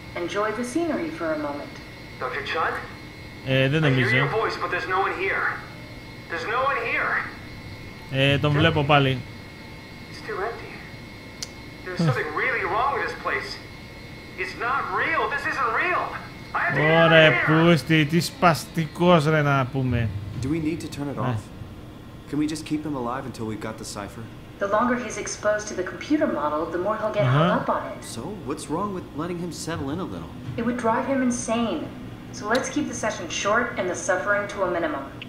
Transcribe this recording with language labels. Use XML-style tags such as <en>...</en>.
<en>Enjoy the scenery for a moment. Dr. Chun?</en> <el>Δεν νομίζω.</el> <en>I hear your voice, but there's no one here. There's no one here.</en> <el>Τον βλέπω πάλι.</el> <en>It's too empty. There's something really wrong with this place. It's not real. This isn't real.</en> <el>Ωραία, πούστη, τι σπαστικός ρε να πούμε.</el> <en>Do we need to turn it off? Can we just keep him alive until we've got the cipher? The longer he's exposed to the computer model, the more he'll get hung up on it. So, what's wrong with letting him settle in a little? It would drive him insane. So let's keep the session short and the suffering to a minimum.</en>